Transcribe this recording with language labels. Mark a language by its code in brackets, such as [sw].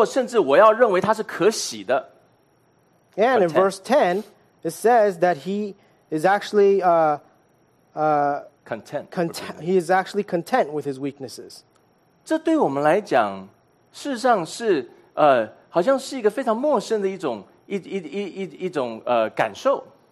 [zh] 然后在第十节里面他说我要因为我的软弱甚至我要认为他是可喜的。 [en] And in verse 10, it says that he is actually content. He is actually content with his weaknesses. [zh] 这对我们来讲事实上是好像是一个非常陌生的一种感受。